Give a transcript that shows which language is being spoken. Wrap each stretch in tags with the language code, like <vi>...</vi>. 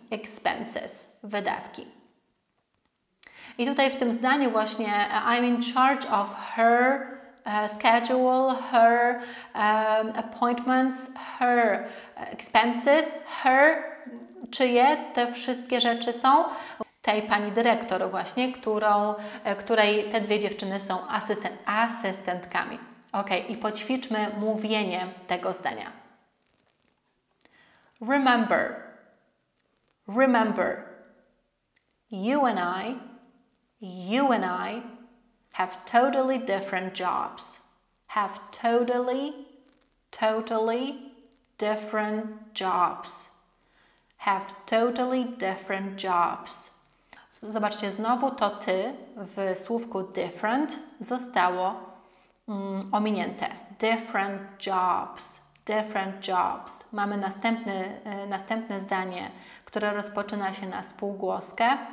<pl>Expenses, wydatki. I tutaj w tym zdaniu właśnie</pl> <en>I'm in charge of her schedule, her appointments, her expenses,</en> <pl>her, czyje te wszystkie rzeczy są? Tej pani dyrektor właśnie, której te dwie dziewczyny są asystentkami. Ok, i poćwiczmy mówienie tego zdania.</pl> <en>Remember, remember, you and I have totally different jobs, have totally, totally different jobs, have totally different jobs.</en> <pl>Zobaczcie, znowu to ty w słówku different zostało ominięte.</pl> <en>Different jobs. Different jobs.</en> <pl>Mamy następne zdanie, które rozpoczyna się na spółgłoskę.</pl>